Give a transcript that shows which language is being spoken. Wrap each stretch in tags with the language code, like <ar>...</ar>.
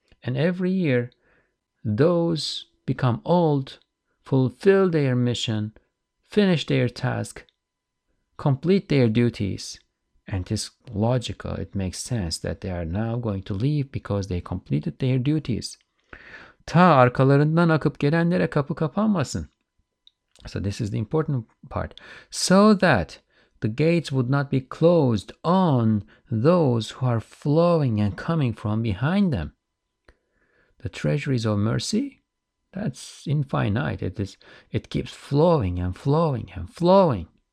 <en>And every year, those become old, fulfill their mission, finish their task, complete their duties. And it's logical, it makes sense that they are now going to leave because they completed their duties.</en> <tr>Ta arkalarından akıp gelenlere kapı kapanmasın.</tr> <en>So this is the important part. So that the gates would not be closed on those who are flowing and coming from behind them. The treasuries of mercy, that's infinite. It keeps flowing and flowing and flowing.</en>